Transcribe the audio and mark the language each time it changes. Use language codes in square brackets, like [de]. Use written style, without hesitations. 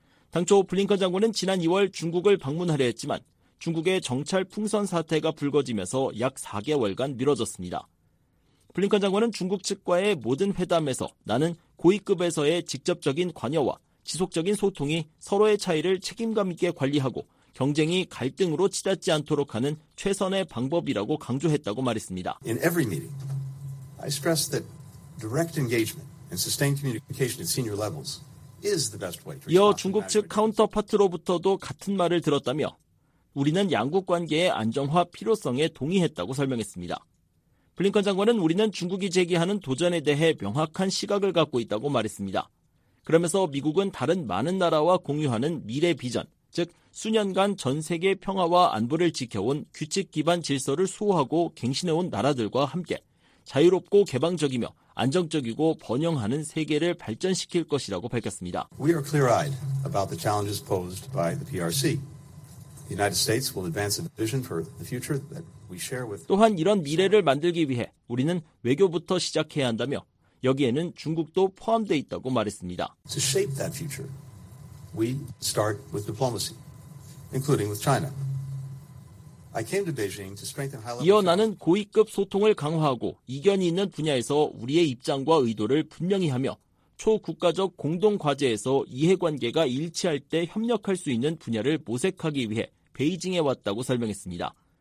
[ko] 당초 블링컨 장관은 지난 2월 중국을 방문하려 했지만 중국의 정찰 풍선 사태가 불거지면서 약 4개월간 미뤄졌습니다. 블링컨 장관은 중국 측과의 모든 회담에서 나는 고위급에서의 직접적인 관여와 지속적인 소통이 서로의 차이를 책임감 있게 관리하고 경쟁이 갈등으로 치닫지 않도록 하는 최선의 방법이라고 강조했다고 말했습니다. [en] In every meeting, I stress that direct engagement and sustained communication at senior levels is the best way. [ko] 이어 중국 측 카운터파트로부터도 같은 말을 들었다며 우리는 양국 관계의 안정화 필요성에 동의했다고 설명했습니다. 블링컨 장관은 우리는 중국이 제기하는 도전에 대해 명확한 시각을 갖고 있다고 말했습니다. 그러면서 미국은 다른 많은 나라와 공유하는 미래 비전, 즉 수년간 전 세계 평화와 안보를 지켜온 규칙 기반 질서를 수호하고 갱신해온 나라들과 함께 자유롭고 개방적이며 안정적이고 번영하는 세계를 발전시킬 것이라고 밝혔습니다. [en] We are clear-eyed about the challenges posed by the PRC. The United States will advance a vision for the future that we share with. [ko] 또한 이런 미래를 만들기 위해 우리는 외교부터 시작해야 한다며 여기에는 중국도 포함돼 있다고 말했습니다. [en] To shape that future, we start with diplomacy, including with China. I came to Beijing to strengthen high-level. [ko] 이어 나는 고위급 소통을 강화하고 이견이 있는 분야에서 우리의 입장과 의도를 분명히 하며 초국가적 공동 과제에서 이해관계가 일치할 때 협력할 수 있는 분야를 모색하기 위해 베이징에 왔다고 설명했습니다.